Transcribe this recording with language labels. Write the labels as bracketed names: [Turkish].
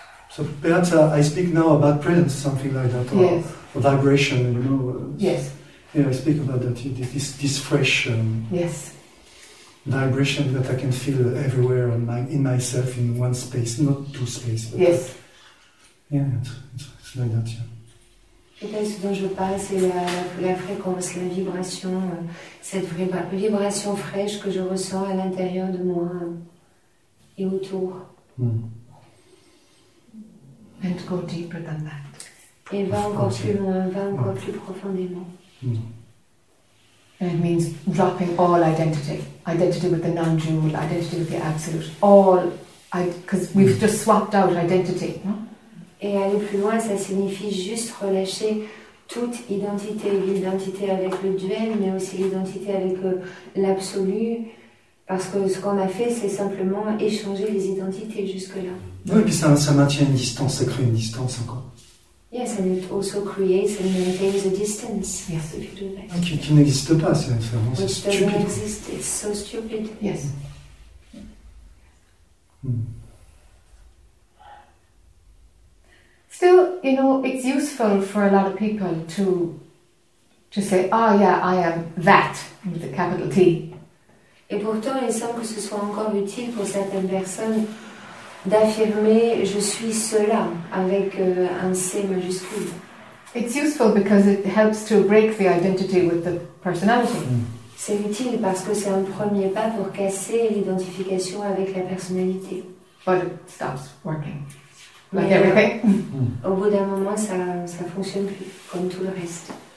[English] So perhaps I speak now about presence, something like that, or yes. A vibration, you know. Yes. Yeah, I speak about that, this fresh yes. Vibration that I can feel everywhere in myself, in one space, not two spaces. Yes. Yeah, it's like that, yeah. [French] Peut-être ce dont je parle, c'est la fréquence, la vibration, cette vibration fraîche que je ressens à l'intérieur de moi et autour. [English] Mm. And go deeper than that. [French] Et va encore plus loin, va encore plus profondément. [English] Mm. And it means dropping all identity. Identity with the non-dual, identity with the absolute. All, because we've just swapped out identity, no? [French] Et aller plus loin, ça signifie juste relâcher toute identité, l'identité avec le duel, mais aussi l'identité avec l'absolu, parce que ce qu'on a fait, c'est simplement échanger les identités jusque-là. Oui, et puis ça maintient une distance, ça crée une distance encore. [English] Yes, and it also creates and maintains a distance. Yes, if you do that. [French] Ah, qui n'existe pas, c'est vraiment [English] which [French] c'est stupid. [English] Which doesn't exist, it's so stupid. Yes. Still, you know, it's useful for a lot of people to to say, ah, yeah, I am that, with a capital T. [French] Et pourtant, il semble que ce soit encore utile pour certaines personnes d'affirmer « je suis cela » avec un C majuscule. [English] It's useful because it helps to break the identity with the personality. [French] C'est utile parce que c'est un premier pas pour casser l'identification avec la personnalité. [English] But it stops working. Like mais everything. [French] Au bout d'un moment, ça fonctionne plus comme tout le reste.